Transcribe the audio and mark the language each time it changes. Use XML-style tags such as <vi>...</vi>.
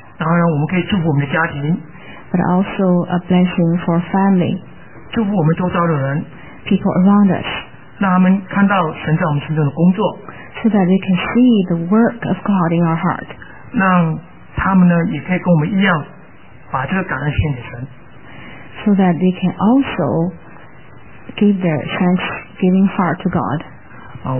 <zh>当然我们可以祝福我们的家庭。</zh> <en>But also a blessing for family.</en> <zh>祝福我们周遭的人。</zh> <en>People around us.</en> <zh>让他们看到神在我们身上的工作。</zh> <en>So that they can see the work of God in our heart.</en> <zh>让他们呢也可以跟我们一样，把这个感恩献给神。</zh> <en>So that they can also give their thanksgiving heart to God.</en>